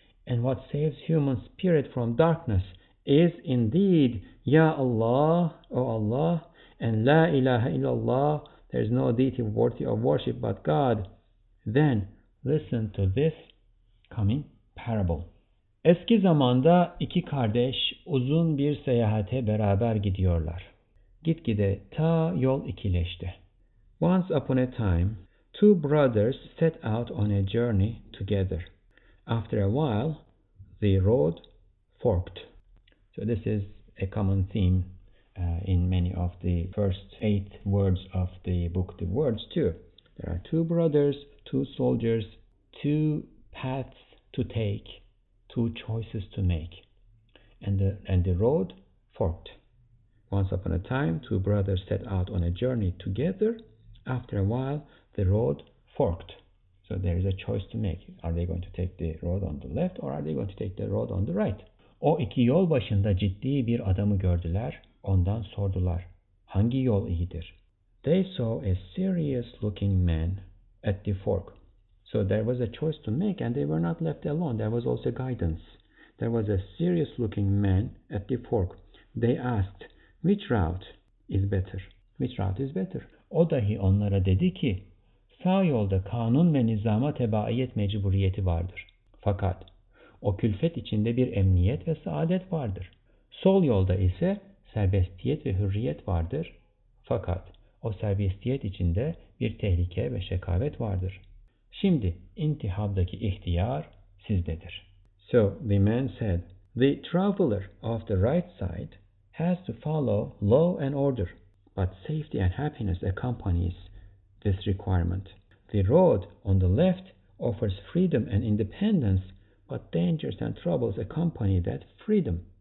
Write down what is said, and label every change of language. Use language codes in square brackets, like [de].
[en] and what saves human spirit from darkness, is indeed Ya Allah, O Allah, and La ilaha illallah, there is no deity worthy of worship but God, then listen to this coming parable. [tr] Eski zamanda iki kardeş uzun bir seyahate beraber gidiyorlar. Gitgide ta yol ikileşti. [en] Once upon a time, two brothers set out on a journey together. After a while, the road forked. So this is a common theme in many of the first eight words of the book, the words too. There are two brothers, two soldiers, two paths to take, two choices to make, and the road forked. Once upon a time, two brothers set out on a journey together. After a while, the road forked. So there is a choice to make. Are they going to take the road on the left, or are they going to take the road on the right? [tr] O iki yol başında ciddi bir adamı gördüler, ondan sordular, hangi yol iyidir? [en] They saw a serious-looking man at the fork. So there was a choice to make, and they were not left alone. There was also guidance. There was a serious-looking man at the fork. They asked, which route is better? Which route is better? [tr] O dahi onlara dedi ki, sağ yolda kanun ve nizama tebaiyet mecburiyeti vardır. Fakat o külfet içinde bir emniyet ve saadet vardır. Sol yolda ise serbestiyet ve hürriyet vardır. Fakat o serbestiyet içinde bir tehlike ve şekavet vardır. Şimdi intihabdaki ihtiyar sizdedir. [en] So the man said, the traveler of the right side has to follow law and order, but safety and happiness accompanies this requirement. The road on the left offers freedom and independence, but dangers and troubles accompany that freedom.